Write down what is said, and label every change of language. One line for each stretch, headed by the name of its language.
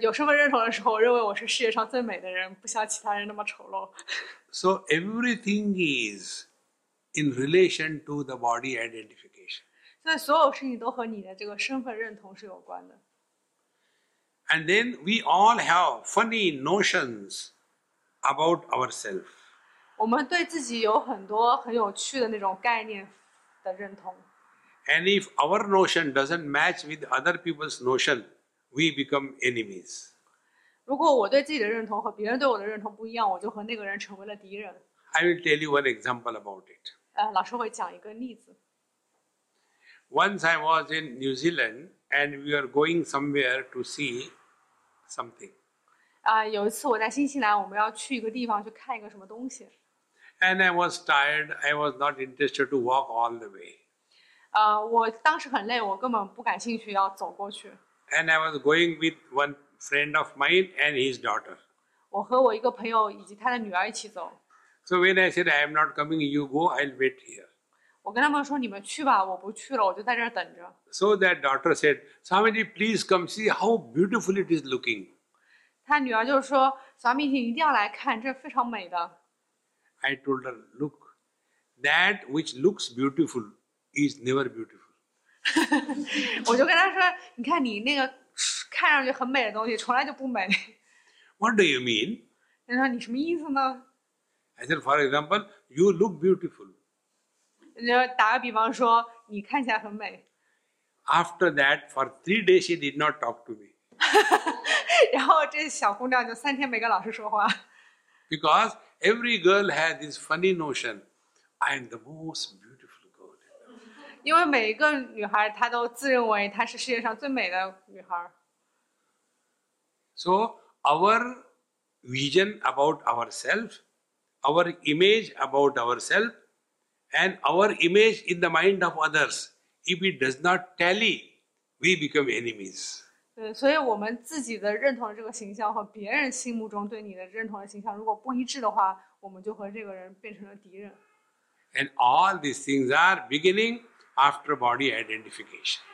Chinese: 有身份认同的时候，我认为我是世界上最美的人，不像其他人那么丑陋。
English: So everything is in relation to the body identification.
Chinese: 所以所有事情都和你的这个身份认同是有关的。
English: And then we all have funny notions about ourselves.
Chinese: 我们对自己有很多很有趣的那种概念的认同。
English: And if our notion doesn't match with other people's notion, we become enemies.
Chinese: 如果我对自己的认同和别人对我的认同不一样，我就和那个人成为了敌人。
English: I will tell you one example about it.
Chinese: 老师会讲一个例子。
English: Once I was in New Zealand. And we are going somewhere to see something.
Chinese: 有一次我在新西兰，我们要去一个地方去看一个什么东西。
English: And I was tired. I was not interested to walk all the way.
Chinese: 我当时很累，我根本不感兴趣要走过去。
English: And I was going with one friend of mine and his daughter.
Chinese: 我和我一个朋友以及他的女儿一起走。
English: So when I said I am not coming, you go. I'll wait here.
Chinese: 我跟他们说：“你们去吧，我不去了，我就在这儿等着。”
English: So that daughter said, "Swamiji, please come see how beautiful it is looking."
Chinese: 他女儿就说 ：“Swamiji， 一定要来看，这非常美的。”
English: I told her, "Look, that which looks beautiful is never beautiful."
Chinese: 我就跟他说：“你看，你那个看上去很美的东西，从来就不美。”
English: What do you mean?
Chinese: 他说：“你什么意思呢？”
English: I said, "For example, you look beautiful."
Chinese: 打个比方说，你看起来很美。
English: After that, for 3 days, she did not talk to me.
Chinese: 然后这小姑娘就三天没跟老师说话。
English: Because every girl has this funny notion, I am the most beautiful girl.
Chinese: 因为每一个女孩她都自认为她是世界上最美的女孩。
English: So our vision about ourselves our image about ourselves and our image in the mind of others, if it does not tally, we become enemies.
Chinese: 对，所以我们自己的认同这个形象和别人心目中对你的认同的形象，如果不一致的话，我们就和这个人变成了敌人。
English: And all these things are beginning after body identification.